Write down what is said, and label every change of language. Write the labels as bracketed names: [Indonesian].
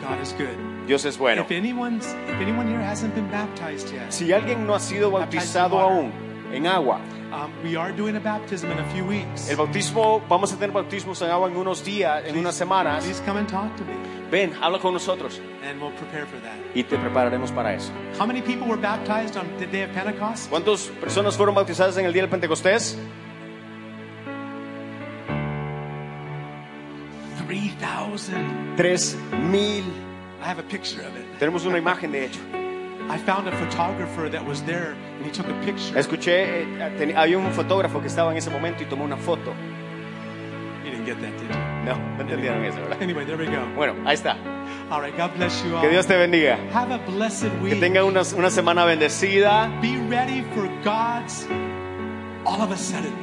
[English] God is good. [Spanish] Dios es bueno. [English] If anyone here hasn't been baptized yet, [Spanish] si alguien no ha sido bautizado aún en agua, [English] We are doing a baptism in a few weeks. [Spanish] El bautismo, vamos a tener bautismos en agua en unos días, en unas semanas. [English] Please come and talk to me. [Spanish] Ven, habla con nosotros. [English] And we'll prepare for that. [Spanish] Y te prepararemos para eso. [English] How many people were baptized on the day of Pentecost? [Spanish] ¿Cuántas personas fueron bautizadas en el día del Pentecostés? [English] 3,000. [Spanish] 3,000. [English] I have a picture of it. [Spanish] Tenemos una imagen de hecho. [English] I found a photographer that was there and he took a picture. [Spanish] Escuché, había un fotógrafo que estaba en ese momento y tomó una foto. [English] You didn't get that, did you? [Spanish] No, no entendieron eso, ¿verdad? [English] Anyway, there we go. [Spanish] Bueno, ahí está. [English] All right, God bless you all. [Spanish] Que Dios te bendiga. [English] Have a blessed week. [Spanish] Que tenga una semana bendecida. [English] Be ready for God's all of a sudden.